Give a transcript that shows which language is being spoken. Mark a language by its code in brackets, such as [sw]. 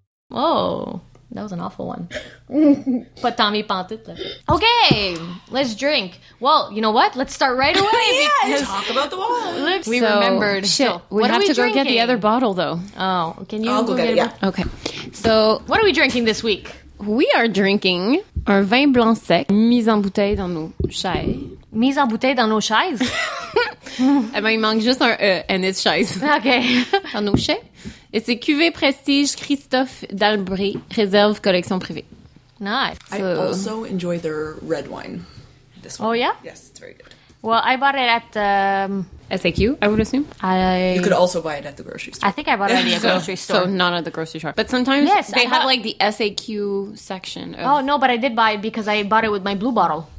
[en] Oh, that was an awful one. But Tommy pointed it. Okay, let's drink. Well, you know what? Let's start right away. Yes. Talk about the wine. Look, we remembered. Shit. We have to go get the other bottle, though. Oh, can you? I'll go get it. Yeah. Okay. So, what are we drinking this week? We are drinking [fr] un vin blanc sec mis en bouteille dans nos chaises. Mis en bouteille dans nos chaises. Eh ben, il manque juste un E, [en] and it's chaise. Okay. [fr] Dans nos chaises. Et c'est Cuvée Prestige Christophe Dalbré, réserve collection privée. [en] Nice. So. I also enjoy their red wine, this one. Oh, yeah? Yes, it's very good. Well, I bought it at SAQ, I would assume. You could also buy it at the grocery store. I think I bought it at the grocery store. So not at the grocery store. But sometimes they have the SAQ section. Oh, no, but I did buy it because I bought it with my blue bottle.